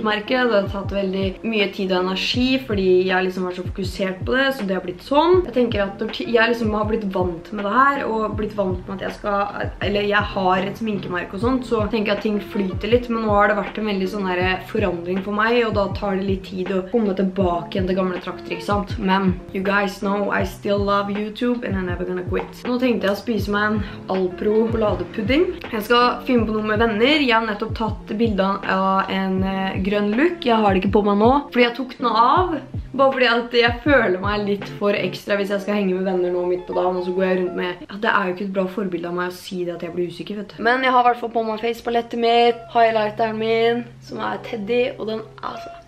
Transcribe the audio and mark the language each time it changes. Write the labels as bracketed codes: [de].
[no] ikke merke. Det har tatt veldig mye tid og energi, fordi jeg liksom var så fokusert på det, så det har blitt sånn. Jeg tenker at jeg liksom har blitt vant med det her, og blitt vant med at jeg skal, eller jeg har et sminkemerke og sånt, så tenker jeg at ting flyter litt, men nå har det vært en veldig sånn her forandring for meg, og da tar det litt tid å komme tilbake igjen til gamle trakter, ikke sant? [en] Men, you guys know, I still love YouTube, and I'm never gonna quit. [no] Nå tenkte jeg å spise meg en Alpro bladepudding. Jeg skal filme på noe med venner. Jeg har nettopp tatt bildene av en grønn look. Jeg har det ikke på meg nå, fordi jeg tok den av. Bare fordi at jeg føler meg litt for ekstra hvis jeg skal henge med venner nå midt på dagen, og så går jeg rundt med... Ja, det er jo ikke et bra forbilde av meg å si det at jeg blir usikker, vet du. Men jeg har hvertfall på meg facepalettet mitt, highlighteren min, som er Teddy, og den er sånn.